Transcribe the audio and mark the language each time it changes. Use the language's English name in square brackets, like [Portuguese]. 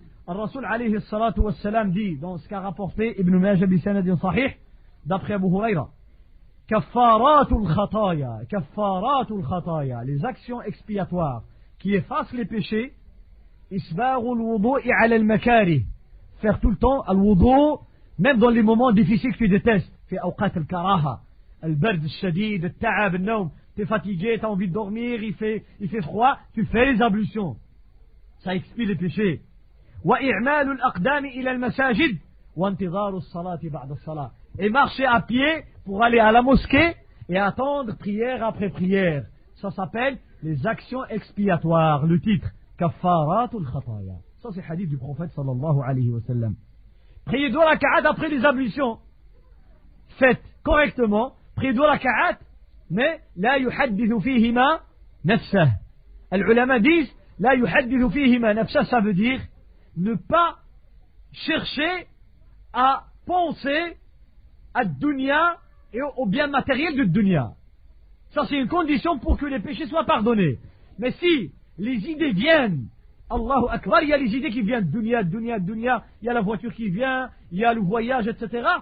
[French] Al-Rasul alayhi salatu wa salam dit dans ce qu'a rapporté Ibn Majah [Arabic] bi sanadin sahih, [French] d'après Abu Huraira, [Arabic] kaffaratul khataya, [French] les actions expiatoires qui effacent les péchés, [Arabic] isbarul wudu'i ala al-makari, [French] faire tout le temps al-wudu', même dans les moments difficiles que tu détestes, [Arabic] fi awqat al-karaha, al-bard al-shadid, al-ta'ab al-nawm, [French] t'es fatigué, t'as envie de dormir, il fait froid, tu fais les ablutions, ça expie les péchés. [Arabic] وإعمال الأقدام إلى المساجد وانتظار الصلاة بعد الصلاة. [French] Et marcher à pied pour aller à la mosquée et attendre prière après prière. Ça s'appelle les actions expiatoires. Le titre, [Arabic] كفارات الخطايا. [French] Ça c'est hadith du prophète sallallahu alayhi wa sallam. Priez deux raka'at après les ablutions. Faites correctement. Priez deux raka'at, mais [Arabic] لا يحدث فيهما نفسه. [French] Les ulama disent [Arabic] لا يحدث فيهما نفسه. [French] Ça veut dire ne pas chercher à penser à dunya et au bien matériel de dunya. Ça, c'est une condition pour que les péchés soient pardonnés. Mais si les idées viennent, Allahu Akbar, il y a les idées qui viennent, dunya, dunya, dunya, il y a la voiture qui vient, il y a le voyage, etc.